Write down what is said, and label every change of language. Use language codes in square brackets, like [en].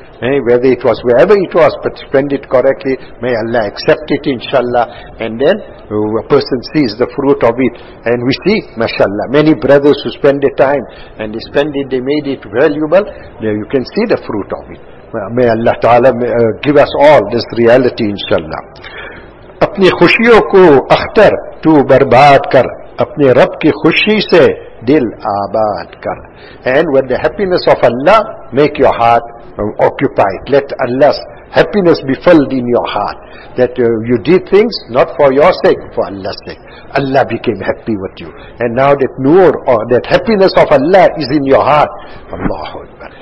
[en] Whether it was, wherever it was, but spend it correctly. May Allah accept it, inshallah. And then a person sees the fruit of it. And we see, mashallah, many brothers who spend their time, and they spend it, they made it valuable. There you can see the fruit of it. May Allah Ta'ala give us all this reality, inshallah. [ur] اپنی خوشیوں کو اختر تو برباد کر اپنے رب کی خوشی سے دل آباد کر. [en] And with the happiness of Allah, make your heart occupied. Let Allah's happiness be filled in your heart. That you did things not for your sake, for Allah's sake. Allah became happy with you. And now that nur or that happiness of Allah is in your heart. Allahu Akbar.